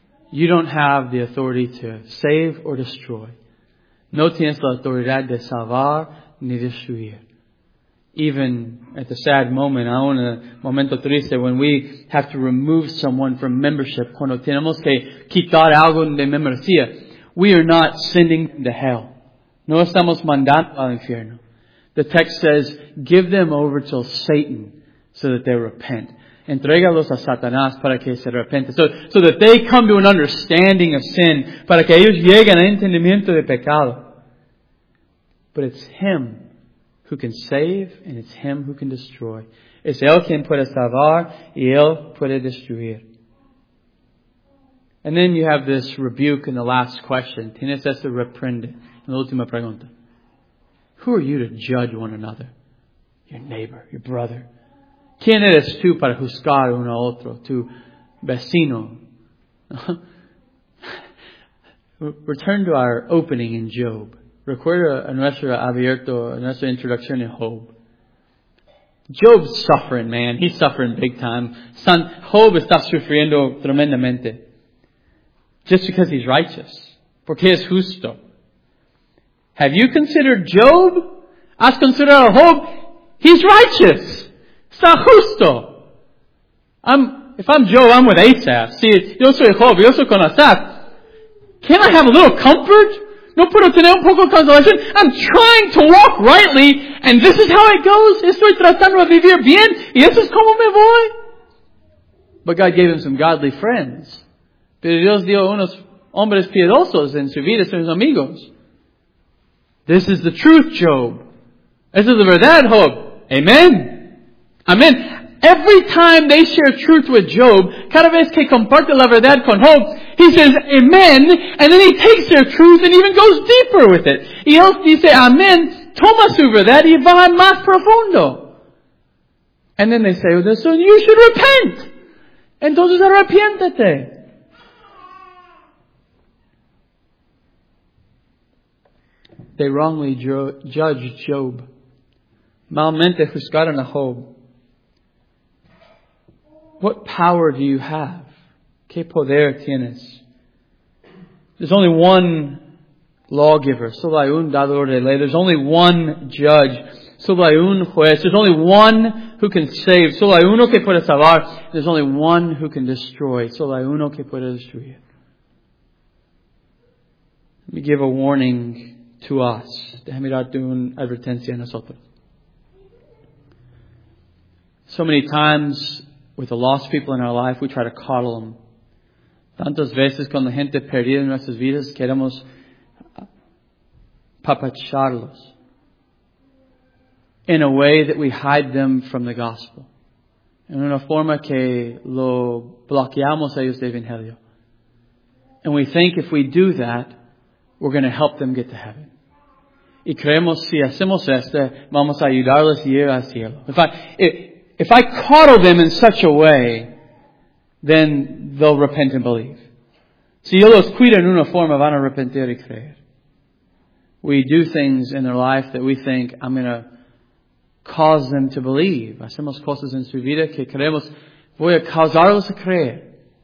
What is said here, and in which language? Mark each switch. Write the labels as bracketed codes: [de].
[en] You don't have the authority to save or destroy. [es] No tienes la autoridad de salvar ni destruir. [en] Even at the sad moment, [es] aún en el momento triste, [en] when we have to remove someone from membership, [es] cuando tenemos que quitar algo de membresía, [en] we are not sending them to hell. [es] No estamos mandando al infierno. [en] The text says, give them over to Satan so that they repent. [es] Entrégalos a Satanás para que se arrepienten. [en] So that they come to an understanding of sin. [es] Para que ellos lleguen al entendimiento de pecado. [en] But it's Him who can save and it's Him who can destroy. [es] Es Él quien puede salvar y Él puede destruir. [en] And then you have this rebuke in the last question. [es] Tienes esta reprende en la última pregunta. [en] Who are you to judge one another? Your neighbor, your brother. [es] ¿Quién eres tú para juzgar uno a otro? Tu vecino. [en] Return to our opening in Job. [es] Recuerda a nuestro abierto, a nuestra introducción en Job. [en] Job's suffering, man. He's suffering big time. [es] Job está sufriendo tremendamente. [en] Just because he's righteous. [es] Porque es justo. [en] Have you considered Job? [es] ¿Has considerado Job? [en] He's righteous. [es] Está justo. [en] If I'm Job, I'm with Asaph. [es] See, yo soy Job, yo soy con Asaph. [en] Can I have a little comfort? [es] No puedo tener un poco de consolación. [en] I'm trying to walk rightly, and this is how it goes. [es] Estoy tratando de vivir bien, y eso es como me voy. [en] But God gave him some godly friends. [es] Pero Dios dio unos hombres piedosos en su vida, sus amigos. [en] This is the truth, Job. This is the verdad, Job. Amen. Amen. Every time they share truth with Job, [es] cada vez que comparte la verdad con Job, [en] he says amen, and then he takes their truth and even goes deeper with it. [es] Y él dice amen, toma su verdad y va más profundo. [en] And then they say, well, so you should repent. [es] Entonces arrepiéntete. [en] They wrongly judged Job. [es] Malmente juzgaron a Job. [en] What power do you have? [es] ¿Qué poder tienes? [en] There's only one lawgiver. [es] Solo hay un dador de ley. [en] There's only one judge. [es] Solo hay un juez. [en] There's only one who can save. [es] Solo hay uno que puede salvar. [en] There's only one who can destroy. [es] Solo hay uno que puede destruir. [en] Let me give a warning to us. [es] Déjame darte una advertencia a nosotros. [en] So many times, with the lost people in our life, we try to coddle them. [es] Tantas veces con la gente perdida en nuestras vidas, queremos papacharlos. [en] In a way that we hide them from the gospel. [es] En una forma que lo bloqueamos a ellos de evangelio. [en] And we think if we do that, we're going to help them get to heaven. [es] Y creemos si hacemos esto, vamos a ayudarles a ir al cielo. [en] If I coddle them in such a way, then they'll repent and believe. [es] Si yo los cuido en una forma, van a arrepentir y creer. [en] We do things in their life that we think, I'm going to cause them to believe. [es] Hacemos cosas en su vida que creemos, voy a causarlos a creer.